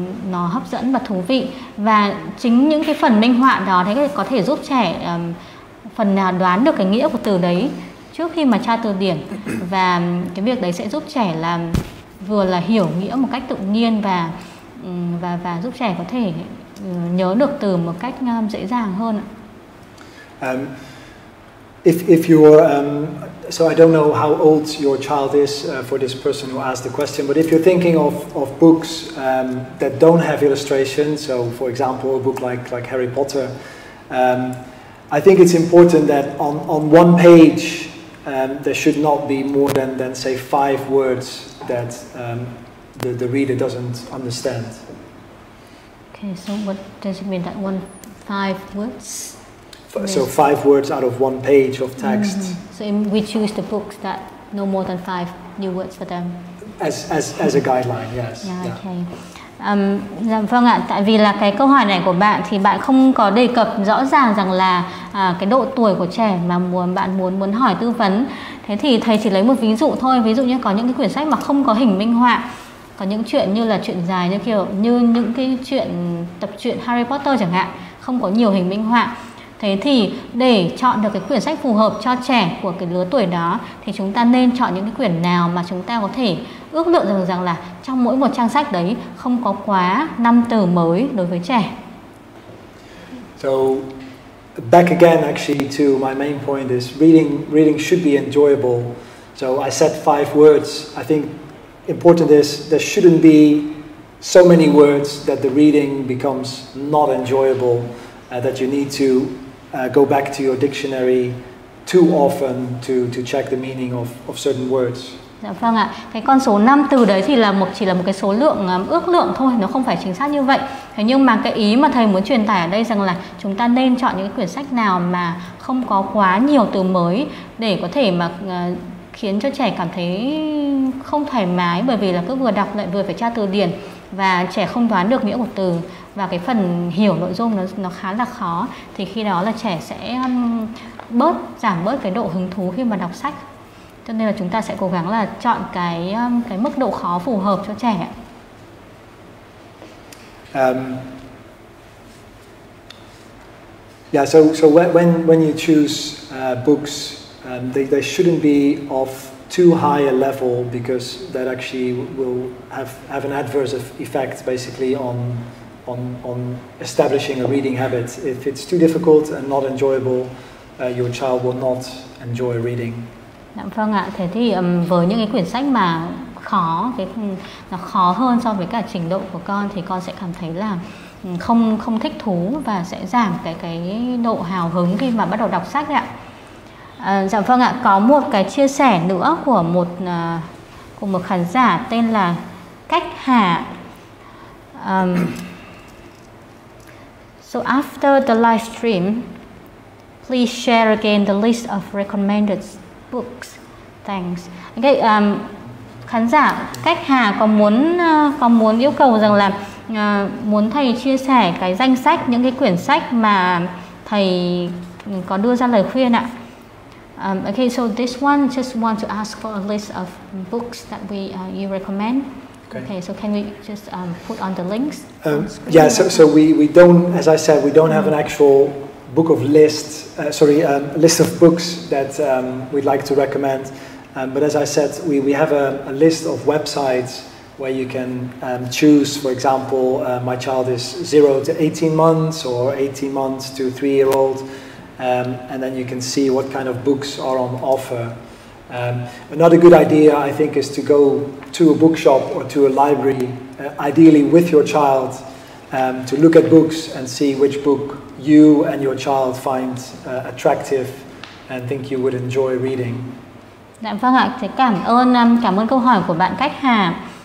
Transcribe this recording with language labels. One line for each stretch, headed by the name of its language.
Vietnamese: nó hấp dẫn và thú vị, và chính những cái phần minh họa đó thì có thể giúp trẻ phần nào đoán được cái nghĩa của từ đấy trước khi mà tra từ điển, và cái việc đấy sẽ giúp trẻ là vừa là hiểu nghĩa một cách tự nhiên và giúp trẻ có thể nhớ được từ một cách dễ dàng hơn.
English: If you're so I don't know how old your child is for this person who asked the question, but if you're thinking of books that don't have illustrations, so for example a book like Harry Potter, I think it's important that on one page there should not be more than say five words that the reader doesn't understand. Okay, so what does it mean that five words? So five words out of one page of text. Mm-hmm. So we choose the books that no more than five new words for them. As a guideline, yes. Yeah, okay.
Vietnamese: Dạ vâng ạ, tại vì là cái câu hỏi này của bạn thì bạn không có đề cập rõ ràng rằng là cái độ tuổi của trẻ mà bạn muốn hỏi tư vấn. Thế thì thầy chỉ lấy một ví dụ thôi, ví dụ như có những cái quyển sách mà không có hình minh họa. Có những chuyện như là chuyện dài như kiểu như những cái chuyện tập truyện Harry Potter chẳng hạn, không có nhiều hình minh họa. Thế thì để chọn được cái quyển sách phù hợp cho trẻ của cái lứa tuổi đó thì chúng ta nên chọn những cái quyển nào mà chúng ta có thể ước lượng rằng là trong mỗi một trang sách đấy không có quá 5 từ mới đối với trẻ.
English: So back again actually to my main point is reading should be enjoyable. So I said 5 words. I think important is there shouldn't be so many words that the reading becomes not enjoyable. That you need to go back to your dictionary too often to check the meaning of certain words.
Vietnamese: Dạ vâng ạ, cái con số 5 từ đấy thì chỉ là một cái số lượng ước lượng thôi, nó không phải chính xác như vậy. Thế nhưng mà cái ý mà thầy muốn truyền tải ở đây rằng là chúng ta nên chọn những quyển sách nào mà không có quá nhiều từ mới để có thể mà khiến cho trẻ cảm thấy không thoải mái, bởi vì là cứ vừa đọc lại vừa phải tra từ điển và trẻ không đoán được nghĩa của từ, và cái phần hiểu nội dung nó khá là khó, thì khi đó là trẻ sẽ giảm bớt cái độ hứng thú khi mà đọc sách. Cho nên là chúng ta sẽ cố gắng là chọn cái mức độ khó phù hợp cho trẻ.
English: So when you choose books, they shouldn't be of too high a level, because that actually will have an adverse effect basically on establishing a reading habit. If it's too difficult and not enjoyable, your child will not enjoy reading.
Vietnamese: Dạ vâng ạ, thế thì với những cái quyển sách mà khó, cái nó khó hơn so với cả trình độ của con thì con sẽ cảm thấy là không thích thú và sẽ giảm cái độ hào hứng khi mà bắt đầu đọc sách ạ. Dạ vâng ạ, có một cái chia sẻ nữa của một khán giả tên là Cách Hà.
English: So after the live stream, please share again the list of recommended books. Thanks.
Vietnamese: Okay, khán giả Cách Hà có muốn yêu cầu rằng là muốn thầy chia sẻ cái danh sách, những cái quyển sách mà thầy có đưa ra lời khuyên ạ.
English: Okay, so this one just want to ask for a list of books that you recommend. Okay, so can we just put on the links? So we don't, as I said, we don't have an actual book of list. List of books that we'd like to recommend. But as I said, we have a list of websites where you can choose. For example, my child is 0 to 18 months, or 18 months to 3 year old, and then you can see what kind of books are on offer. Another good idea, I think, is to go to a bookshop or to a library, ideally with your child, to look at books and see which book you and your child find attractive and think you would enjoy reading.
Vietnamese: Dạ vâng ạ, thế cảm ơn câu hỏi của bạn Cách Hà.